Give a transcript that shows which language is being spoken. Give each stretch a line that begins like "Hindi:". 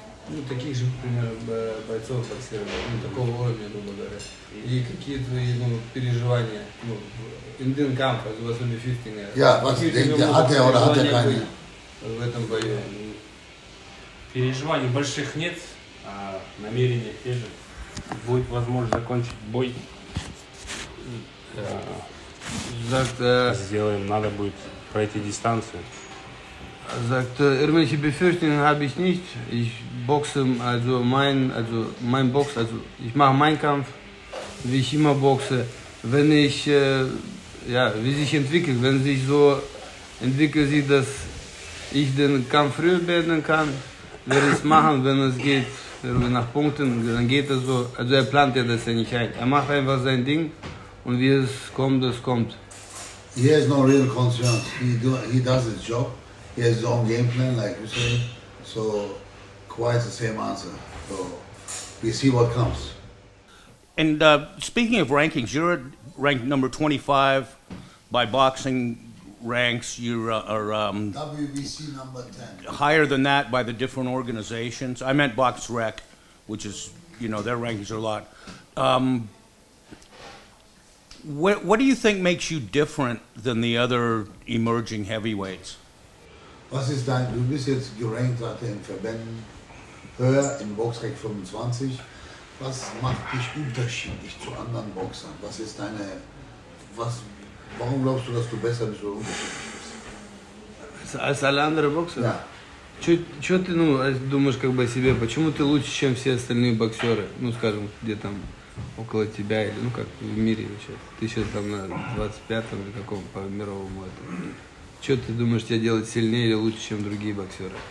Russian: Ну, таких же, например, бойцов боксировали, ну, такого уровня, я думаю, даже. И какие твои, ну, переживания, ну,
German: in den Kampf, also was
Russian: он
German: befürchtet? Ja, was denkt er, hat er oder hat er keine?
Russian: В этом бою. Переживаний больших нет, а намерения те же. Будет возможность закончить бой. Сделаем, надо будет пройти дистанцию.
German: Er sagt, irgendwelche Befürchtungen habe ich nicht. Ich boxe, mein Box, also ich mache meinen Kampf, wie ich immer boxe. Wenn ich, ja, wie sich entwickelt, wenn sich so entwickelt, dass ich den Kampf früher beenden kann, werde ich es machen, wenn es geht, irgendwie nach Punkten, dann geht es so. Also er plant ja das ja nicht ein. Er macht einfach sein Ding und wie es kommt, es kommt.
English: He has no real concerns. He does his job. He has his own game plan, like you say. So, quite the same answer. So, we see what comes. And speaking of rankings, you're ranked number 25 by boxing ranks. You are WBC number 10. Higher than that by the different organizations. I meant BoxRec, which is, you know, their rankings are a lot. What do you think makes you different than the other emerging heavyweights?
German: Was ist dein, du bist jetzt gerankt, sagt er, in Verbänden höher, im Boxrec 25. Was macht dich unterschiedlich zu anderen Boxern? Was ist deine, warum glaubst du, dass du besser bist oder unterschiedlich bist? Als alle anderen Boxer? Ja.
Russian: Чё ты, ну, думаешь как бы о себе, почему ты лучше, чем все остальные боксеры? Ну, скажем, где там около тебя или, ну, как в мире вообще. Ты сейчас там на 25-м или каком по мировому этому. Что ты думаешь, тебя делать сильнее или лучше, чем другие боксеры?